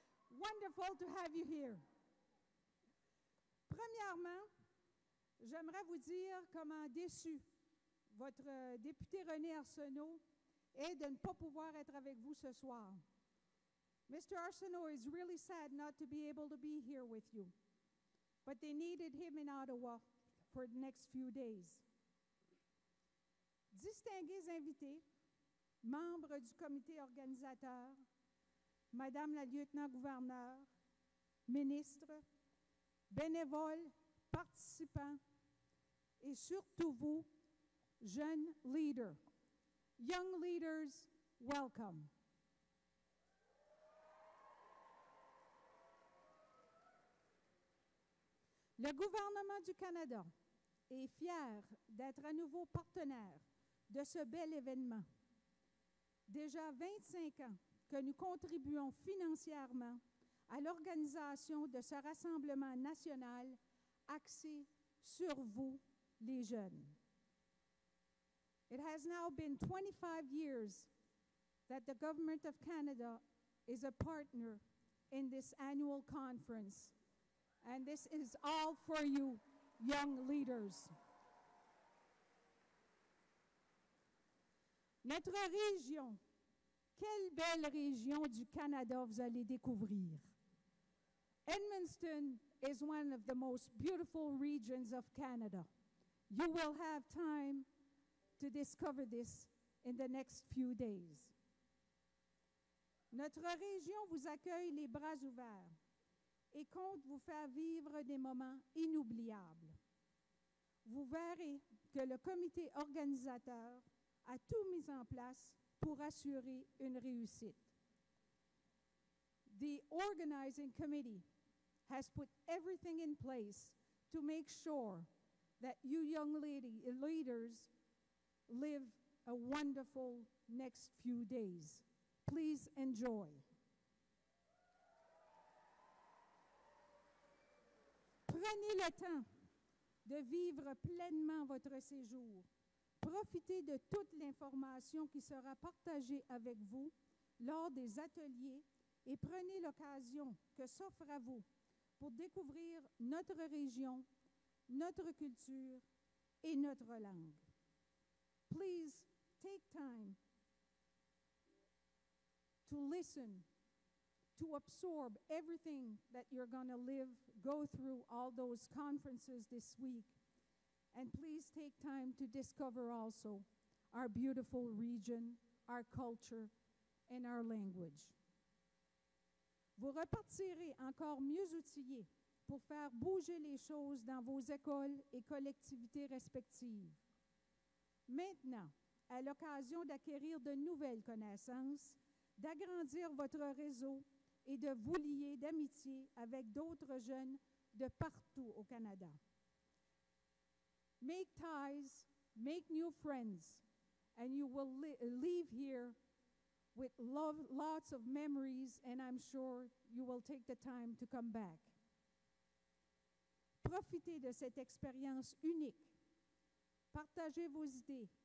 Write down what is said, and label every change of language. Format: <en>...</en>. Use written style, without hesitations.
<en>Wonderful to have you here.</en> <fr>Premièrement, j'aimerais vous dire comment déçu votre député René Arsenault est de ne pas pouvoir être avec vous ce soir.</fr> <en>Mr. Arsenault is really sad not to be able to be here with you. But they needed him in Ottawa for the next few days.</en> <fr>Distingués invités, membres du comité organisateur, Madame la lieutenant-gouverneur, ministre, bénévoles, participants, et surtout vous, jeunes leaders.</fr> <en>Young leaders, welcome.</en> <fr>Le gouvernement du Canada est fier d'être à nouveau partenaire de ce bel événement. Déjà 25 ans que nous contribuons financièrement à l'organisation de ce rassemblement national axé sur vous, les jeunes.</fr> <en>It has now been 25 years that the Government of Canada is a partner in this annual conference, and this is all for you, young leaders.</en> <fr>Notre région, quelle belle région du Canada vous allez découvrir.</fr> <en>Edmundston is one of the most beautiful regions of Canada. You will have time to discover this in the next few days.</en> <fr>Notre région vous accueille les bras ouverts et compte vous faire vivre des moments inoubliables. Vous verrez que le comité organisateur a tout mis en place pour assurer une réussite.</fr> <en>The organizing committee has put everything in place to make sure that you young leaders live a wonderful next few days. Please enjoy.</en> <fr>Prenez le temps de vivre pleinement votre séjour. Profitez de toute l'information qui sera partagée avec vous lors des ateliers et prenez l'occasion que s'offre à vous pour découvrir notre région, notre culture et notre langue.</fr> <en>Please take time to listen, to absorb everything that you're going to live, go through all those conferences this week. And please take time to discover also our beautiful region, our culture, and our language.</en> <fr>Vous repartirez encore mieux outillés pour faire bouger les choses dans vos écoles et collectivités respectives. Maintenant, à l'occasion d'acquérir de nouvelles connaissances, d'agrandir votre réseau et de vous lier d'amitié avec d'autres jeunes de partout au Canada.</fr> <en>Make ties, make new friends, and you will leave here with lots of memories, and I'm sure you will take the time to come back.</en> <fr>Profitez de cette expérience unique. Partagez vos idées.</fr>